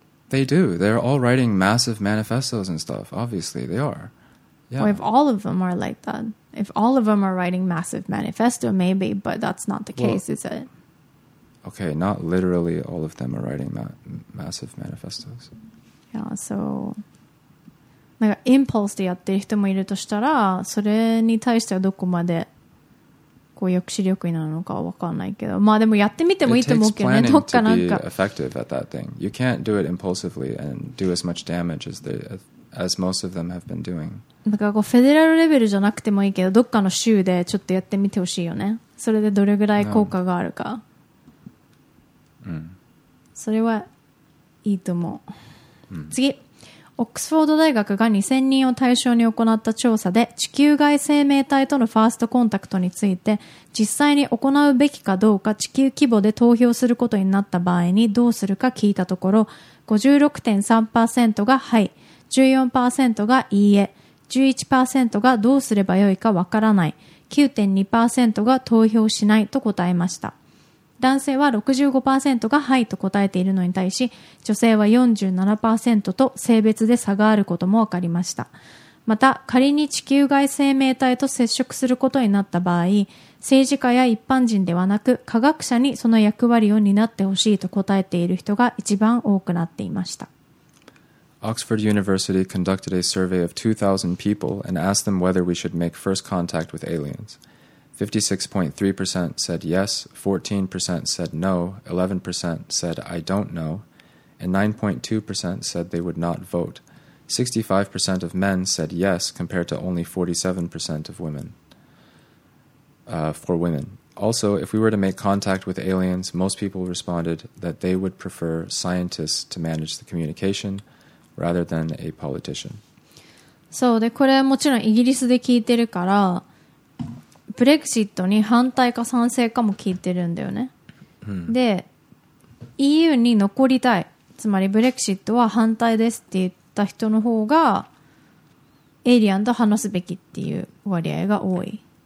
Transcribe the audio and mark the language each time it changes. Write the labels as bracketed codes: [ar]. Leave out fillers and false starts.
[en] They do. They're all writing massive manifestos and stuff. Obviously, they are. Yeah. Well, if all of them are like that. If all of them are writing massive manifesto, maybe, but that's not the case, is it? Okay, not literally all of them are writing massive manifestos. Yeah, so... [ja] なんかインポースでやってる人もいるとしたら、それに対してはどこまでこう抑止力になるのかは分かんないけど、まあでもやってみてもいいと思うけどね、どっかなんか。 [en] It takes planning to be effective at that thing. You can't do it impulsively and do as much damage as the... As most of them have been doing. [ja] だからこうフェデラルレベルじゃなくてもいいけど、どっかの州でちょっとやってみてほしいよね。それでどれぐらい効果があるか。うん。それはいいと思う。うん、次、オックスフォード大学が2000人を対象に行った調査で、地球外生命体とのファーストコンタクトについて、実際に行うべきかどうか地球規模で投票することになった場合にどうするか聞いたところ、56.3% がはい。 14% がいいえ、11% がどうすればよいかわからない、9.2% が投票しないと答えました。男性は 65% がはいと答えているのに対し、女性は 47% と性別で差があることもわかりました。また、仮に地球外生命体と接触することになった場合、政治家や一般人ではなく、科学者にその役割を担ってほしいと答えている人が一番多くなっていました。 [en] Oxford University conducted a survey of 2,000 people and asked them whether we should make first contact with aliens. 56.3% said yes, 14% said no, 11% said I don't know, and 9.2% said they would not vote. 65% of men said yes compared to only 47% of women. For women. Also, if we were to make contact with aliens, most people responded that they would prefer scientists to manage the communication,Rather than a politician. [ja] そうで、これはもちろんイギリスで聞いてるから、ブレグジットに反対か賛成かも聞いてるんだよね。で、EU に残りたい、つまりブレグジットは反対ですって言った人の方が、エイリアンと話すべきっていう割合が多い。